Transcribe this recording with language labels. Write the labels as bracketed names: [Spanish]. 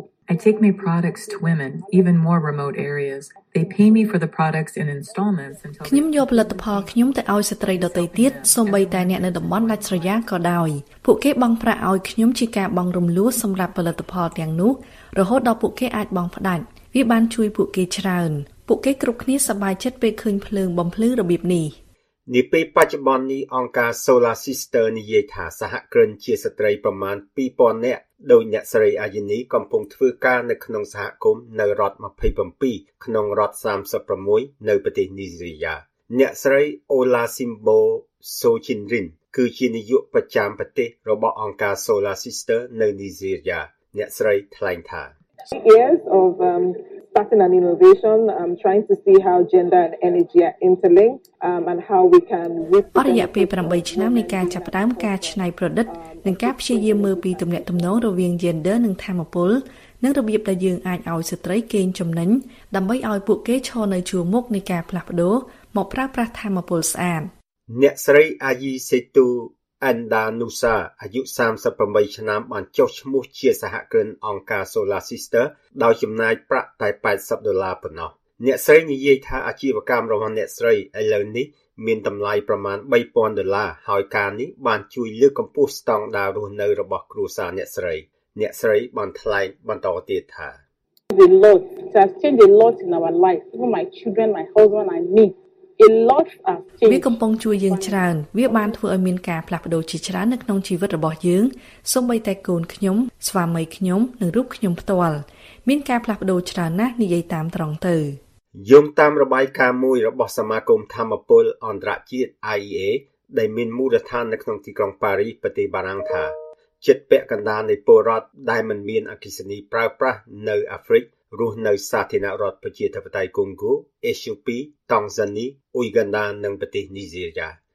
[English] I take my products to women even more remote areas they pay me for the products in installments until [Khmer] ខ្ញុំយកផលិតផលខ្ញុំទៅឲ្យស្ត្រីដទៃទៀតសូម្បីតែអ្នកនៅតំបន់ដាច់ស្រយាលក៏ដោយពួកគេបង់ប្រាក់ឲ្យខ្ញុំជាការបង់រំលោះសម្រាប់ផលិតផលទាំងនោះរហូតដល់ពួកគេអាចបង់ផ្ដាច់វាបានជួយពួកគេច្រើនពួកគេគ្រប់គ្នាសប្បាយចិត្តពេលឃើញភ្លើងបំភ្លឺរបៀបនេះ នាពេលបច្ចុប្បន្ននេះអង្គការ Solar Sister និយាយថាសហគ្រិនជាស្ត្រីប្រមាណ 2,000 នាក់ដោយអ្នកស្រី Ayini កំពុងធ្វើការនៅក្នុងសហគមន៍នៅរដ្ឋ27ក្នុងរដ្ឋ36នៅប្រទេសនីហ្សេរីយ៉ាអ្នកស្រី Ola Simbo Sochinrin គឺជានាយកប្រចាំប្រទេសរបស់អង្គការ Solar Sister នៅនីហ្សេរីយ៉ាអ្នកស្រីថ្លែងថា [English] Years of starting an innovation I'm trying to see how gender and energy are interlinked and how we can with [Khmer] អរិយាពី8ឆ្នាំនៃការចាប់ផ្ដើមការច្នៃប្រឌិតនិងការព្យាយាមមើលពីទំនាក់ទំនងរវាង gender និងធម្មពលនិងរបៀបដែលយើងអាចឲ្យស្ត្រីកេងចំណេញដើម្បីឲ្យពួកគេឈរនៅជួរមុខនៃការផ្លាស់ប្ដូរមកប្រើប្រាស់ធម្មពលស្អាត អ្នកស្រី Ayi Setu Andanusa អាយុ38ឆ្នាំបានចុះឈ្មោះជាសហគ្រិនអង្គការ Solar Sister ដោយចំណាយប្រាក់តែ80ដុល្លារប៉ុណ្ណោះអ្នកស្រីនិយាយថាអាជីវកម្មរបស់អ្នកស្រីឥឡូវនេះមានតម្លៃប្រមាណ3000ដុល្លារហើយការនេះបានជួយលើកកម្ពស់ស្តង់ដាររស់នៅរបស់គ្រួសារអ្នកស្រីអ្នកស្រីបានថ្លែងបន្តទៀតថា [English] The lot has changed a lot in our life even my children my husband and me [Khmer] វាកំពុងជួយយើងច្រើនវាបានធ្វើឲ្យមានការផ្លាស់ប្ដូរជាច្រើននៅក្នុងជីវិតរបស់យើងសូម្បីតែកូនខ្ញុំស្វាមីខ្ញុំនិងរូបខ្ញុំផ្ទាល់មានការផ្លាស់ប្ដូរច្រើនណាស់និយាយតាមត្រង់ទៅ យោងតាមរបាយការណ៍មួយរបស់សមាគមធម្មពលអន្តរជាតិ IEA ដែលមានមូលដ្ឋាននៅក្នុងទីក្រុងប៉ារីសប្រទេសបារាំងថាចិត្តពាក់កណ្ដាលនៃពលរដ្ឋដែលមិនមានអគ្គិសនីប្រើប្រាស់នៅអាហ្វ្រិករស់នៅសាធារណរដ្ឋប្រជាធិបតេយ្យកុងហ្គោអេសយូពីតង់ហ្សានីអ៊ុយហ្គាន់ដានិងប្រទេសនីហ្សេរីយ៉ា